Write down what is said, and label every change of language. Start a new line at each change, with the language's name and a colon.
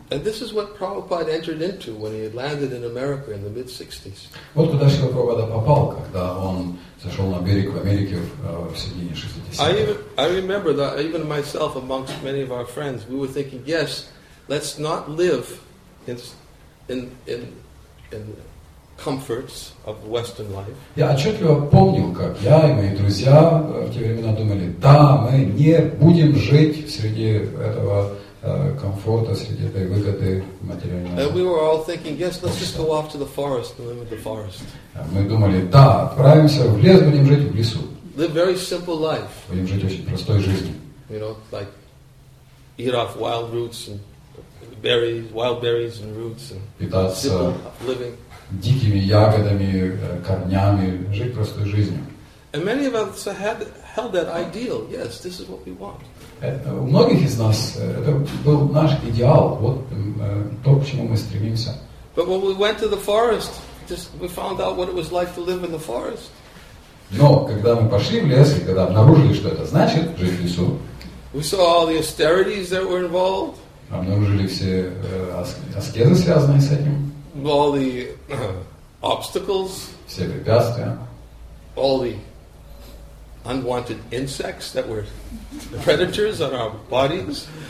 English: And this is what Prabhupada entered into when he had landed in America in the mid-60s.
Russian: Вот куда Шрила Прабхупада попал, когда он зашел на берег в Америке в середине 60-х.
English: I remember that even myself amongst many of our friends, we were thinking, yes, let's not live in comforts of Western life.
Russian: Я отчетливо помню, как я и мои друзья в те времена думали, да, мы не будем жить среди этого комфорта, среди этой выгоды материального.
English: And we were all thinking, yes, let's just go off to the forest and live in the forest.
Russian: Мы думали, да, отправимся в лес, будем жить в лесу.
English: Live very simple life.
Russian: Будем жить очень простой жизнью.
English: You know, like eat off wild roots and berries, wild berries and roots and simple living.
Russian: Дикими ягодами, корнями, жить простой жизнью.
English: And many of us held that ideal. Yes, this is what we want.
Russian: У многих из нас это был наш идеал, вот то, к чему мы стремимся.
English: But when we went to the forest, we found out what it was like to live in the forest.
Russian: Но когда мы пошли в лес и когда обнаружили, что это значит жить в лесу,
English: we saw all the austerities that were involved.
Russian: Обнаружили все аскезы, связанные с этим.
English: All the obstacles.
Russian: Все препятствия.
English: All the unwanted insects that were the predators on our bodies.